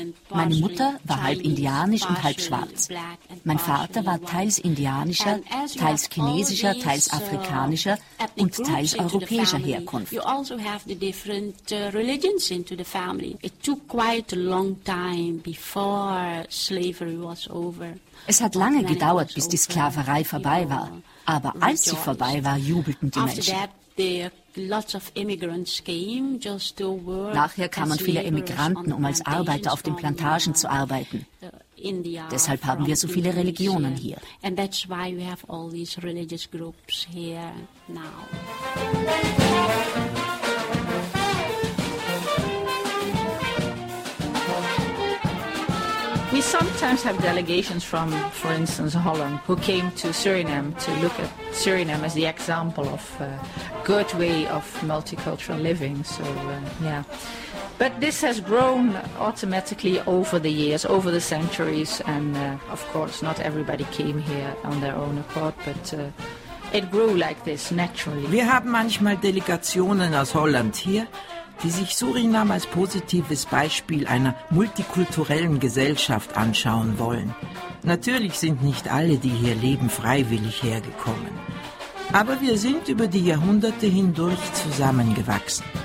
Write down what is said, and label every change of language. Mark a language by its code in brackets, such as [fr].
[de] Meine Mutter war halb indianisch und halb schwarz. Mein Vater war teils indianischer, teils chinesischer, teils afrikanischer und teils europäischer Herkunft. [en] Also have the different religions into the family. It took quite a long time before slavery was over. [de] Es hat lange gedauert, bis die Sklaverei vorbei war. Aber als sie vorbei war, jubelten die Menschen. Nachher kamen viele Emigranten, um als Arbeiter auf den Plantagen zu arbeiten. Deshalb haben wir so viele Religionen hier. [en] And that's why we have all these religious groups here now. We sometimes have delegations from, for instance, Holland, who came to Suriname to look at Suriname as the example of a good way of multicultural living. So, yeah. But this has grown automatically over the years, over the centuries, and of course not everybody came here on their own accord, but it grew like this naturally. [de] Wir haben manchmal Delegationen aus Holland hier, die sich Suriname als positives Beispiel einer multikulturellen Gesellschaft anschauen wollen. Natürlich sind nicht alle, die hier leben, freiwillig hergekommen. Aber wir sind über die Jahrhunderte hindurch zusammengewachsen.